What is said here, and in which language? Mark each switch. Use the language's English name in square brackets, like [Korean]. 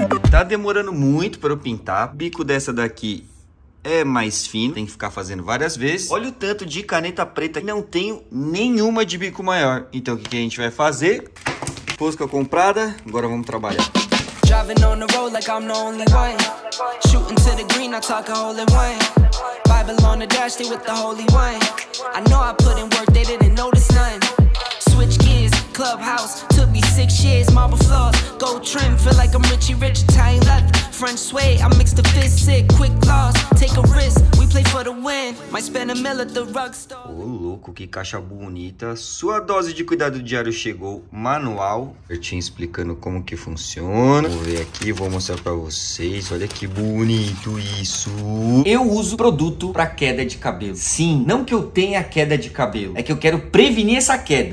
[Portuguese] Tá demorando muito para eu pintar. O bico dessa daqui é mais fino, tem que ficar fazendo várias vezes. Olha o tanto de caneta preta, não tenho nenhuma de bico maior. Então o que a gente vai fazer? Fosca comprada, agora vamos trabalhar. [English] Driving on the road like I'm the only one. Shooting to the green, I talk a hole in one. Bible on the dash, they with the holy one. I know I put in work, they didn't notice none. Switch gears, clubhouse, took me 6 years. Marble floors, gold trim, feel like I'm Richie Rich. Italian leather, French suede, I mix the fist sick. Quick loss, take a risk, we play for the win. Might spend a mill at the rug store. [Portuguese] Ô louco, que caixa bonita. Sua dose de cuidado diário chegou, manual. Eu tinha explicando como que funciona. Vou ver aqui, vou mostrar pra vocês. Olha que bonito isso. Eu uso produto pra queda de cabelo. Sim, não que eu tenha queda de cabelo, é que eu quero prevenir essa queda.